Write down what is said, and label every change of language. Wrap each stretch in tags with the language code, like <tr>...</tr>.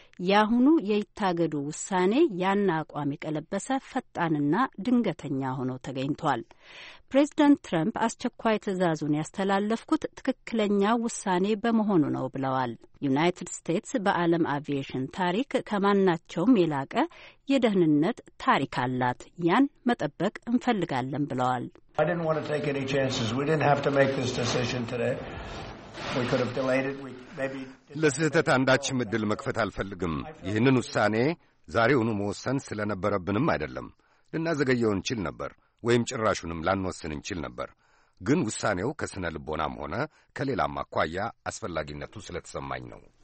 <am>የአሁኑ የይታገዱ ውሳኔ ያን አቋም የቀለበሰ ፈጣንና ድንገተኛ ሆኖ ተገኝቷል። ፕሬዝደንት ትራምፕ አስቸኳይ ትዕዛዙን ያስተላለፍኩት ትክክለኛ ውሳኔ በመሆኑ ነው ብለዋል። ዩናይትድ ስቴትስ በዓለም አቪዬሽን ታሪክ ከማናቸውም የላቀ የደህንነት ታሪክ አላት። ያን መጠበቅ እንፈልጋለን ብለዋል።</am> <en>I didn't want to take any chances. We didn't have to make this decision today. We could have delayed it.</en> <am>ለስህተት አንዳች ምድል መክፈት አልፈልግም። ይህንን ውሳኔ ዛሬውኑ መወሰን ስለነበረብንም አይደለም። ልናዘገየው እንችል ነበር፣ ወይም ጭራሹንም ላንወስን እንችል ነበር። ግን ውሳኔው ከስነ ልቦናም ሆነ ከሌላም አኳያ አስፈላጊነቱ ስለተሰማኝ ነው።</am>